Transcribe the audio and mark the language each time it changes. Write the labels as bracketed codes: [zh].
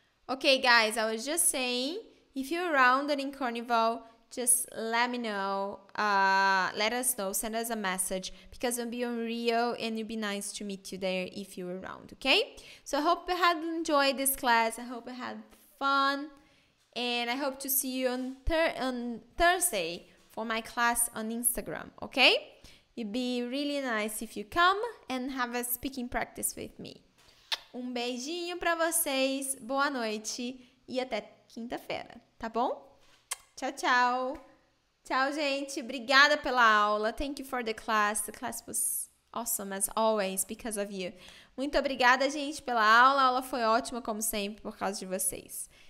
[en] Okay, guys, I was just saying, if you're around and in Carnival, just let me know, let us know, send us a message, because I'll be on Rio and it'll be nice to meet you there if you're around, okay? So I hope you had enjoyed this class, I hope you had fun, and I hope to see you on Thursday for my class on Instagram, okay? It'd be really nice if you come and have a speaking practice with me. [pt] Um beijinho pra vocês, boa noite e até quinta-feira, tá bom? Tchau, tchau. Tchau, gente. Obrigada pela aula. [en] Thank you for the class. The class was awesome, as always, because of you. [pt] Muito obrigada, gente, pela aula. A aula foi ótima, como sempre, por causa de vocês.